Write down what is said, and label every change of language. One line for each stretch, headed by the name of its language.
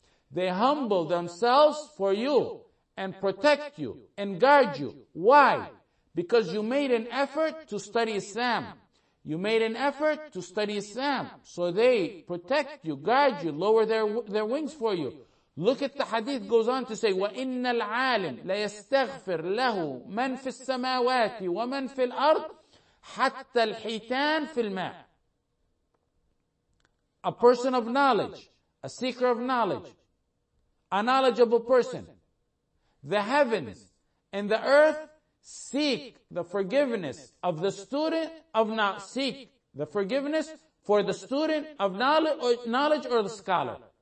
English: They humble themselves for you and protect you and guard you. Why? Because you made an effort to study Islam. You made an effort to study Islam. So they protect you, guard you, lower their wings for you. Look at the hadith goes on to say,
Arabic: وَإِنَّ الْعَالِمْ لَيَسْتَغْفِرْ لَهُ مَنْ فِي السَّمَاوَاتِ وَمَنْ فِي الْأَرْضِ حَتَّى الْحِيْتَانِ فِي الْمَاءِ.
English: A person of knowledge, a seeker of knowledge, a knowledgeable person, the heavens and the earth seek the forgiveness of the student of knowledge, seek the forgiveness for the student of knowledge or the scholar.